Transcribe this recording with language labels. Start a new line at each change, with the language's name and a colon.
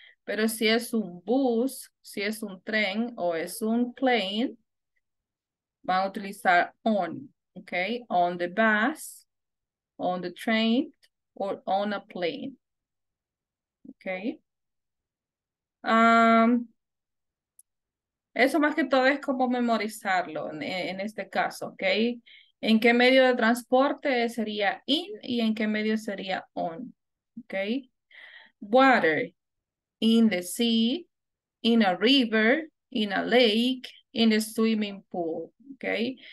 Spanish: Pero si es un bus, si es un tren o es un plane, van a utilizar on, okay?
English: On the bus, on the train, or on a plane, okay?
Spanish: Eso más que todo es como memorizarlo en este caso, okay? ¿En qué medio de transporte sería in y en qué medio sería on, okay?
English: Water, in the sea, in a river, in a lake, in the swimming pool, okay?